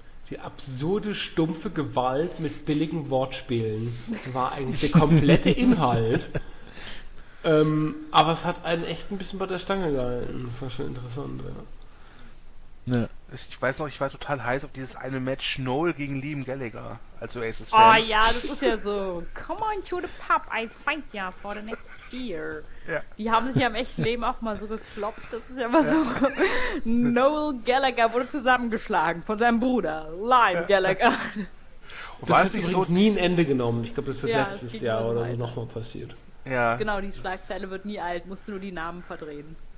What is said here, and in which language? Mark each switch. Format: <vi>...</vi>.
<de>Die absurde, stumpfe Gewalt mit billigen Wortspielen war eigentlich der komplette Inhalt. Aber es hat einen echt ein bisschen bei der Stange gehalten. Das war schon interessant, ja. Ne. Ich weiß noch, ich war total heiß auf dieses eine Match Noel gegen Liam Gallagher als Oh Oasis-Fan. ja, das ist ja so.</de> <en>Come on to the pub, I fight ya for the next beer.</en> <de>Ja. Die haben sich ja im echten Leben auch mal so gekloppt. Das ist ja mal Ja. so. Noel Gallagher wurde zusammengeschlagen von seinem Bruder, Liam Ja. Gallagher. Das hat so nie ein Ende genommen. Ich glaube, das ist das letztes Jahr oder so nochmal passiert. Ja. Genau, die Schlagzeile wird nie alt, musst du nur die Namen verdrehen.</de>